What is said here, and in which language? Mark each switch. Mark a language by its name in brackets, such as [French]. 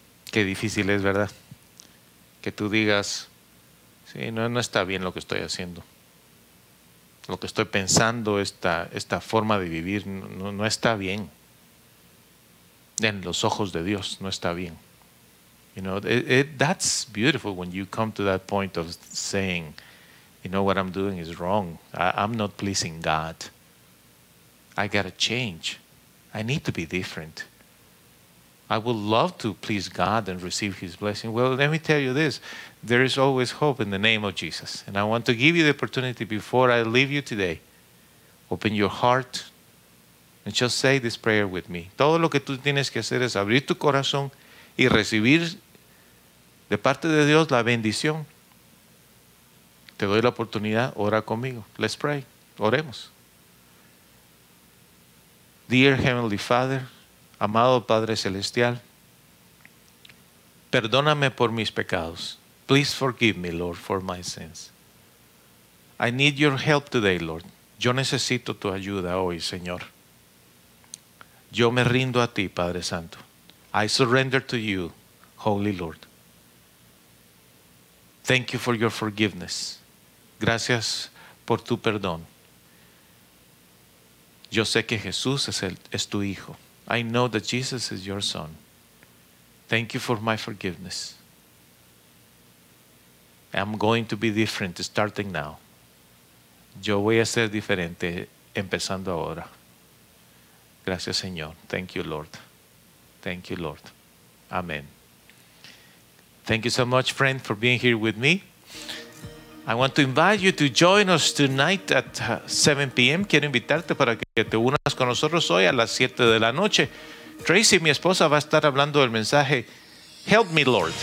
[Spanish] Qué difícil es, ¿verdad? Que tú digas, sí, no está bien lo que estoy haciendo. Lo que estoy pensando, esta forma de vivir, no está bien. En los ojos de Dios, no está bien. [English] You know, that's beautiful when you come to that point of saying, you know, what I'm doing is wrong. I'm not pleasing God. I got to change. I need to be different. I would love to please God and receive His blessing. Well, let me tell you this. There is always hope in the name of Jesus. And I want to give you the opportunity before I leave you today. Open your heart and just say this prayer with me. [Spanish] Todo lo que tú tienes que hacer es abrir tu corazón y recibir de parte de Dios la bendición. Te doy la oportunidad. Ora conmigo. [English] Let's pray. [Spanish] Oremos. [English] Dear Heavenly Father, [Spanish] amado Padre Celestial, perdóname por mis pecados. [English] Please forgive me, Lord, for my sins. I need your help today, Lord. [Spanish] Yo necesito tu ayuda hoy, Señor. Yo me rindo a ti, Padre Santo. [English] I surrender to you, Holy Lord. Thank you for your forgiveness. [Spanish] Gracias por tu perdón. Yo sé que Jesús es tu hijo. [English] I know that Jesus is your son. Thank you for my forgiveness. I'm going to be different starting now. [Spanish] Yo voy a ser diferente empezando ahora. Gracias, Señor. [English] Thank you, Lord. Thank you, Lord. Amen. Thank you so much, friend, for being here with me. I want to invite you to join us tonight at 7 p.m. [Spanish] Quiero invitarte para que te unas con nosotros hoy a las 7 de la noche. Tracy, mi esposa, va a estar hablando del mensaje Help Me, Lord.